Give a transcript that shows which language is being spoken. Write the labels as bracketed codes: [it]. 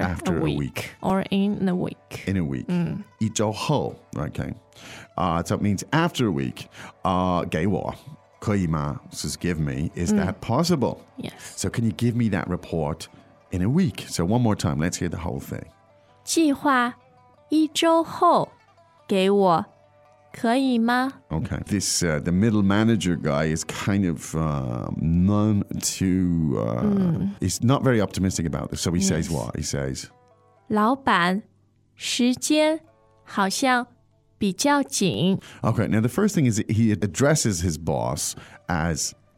[en] a week. Or in a week. In a week. [zh] 一周后 [en] Okay. So it means after a week, [zh] 给我可以吗 [en] says give me. Is that possible? Yes. So can you give me that report in a week? So one more time, let's hear the whole thing. [zh] 计划一周后给我可以吗 [en] Okay. This, the middle manager guy is kind of none too, he's not very optimistic about this. So he says what? He says, [zh] 老板时间好像比较紧 [en] Okay, now the first thing is he addresses his boss as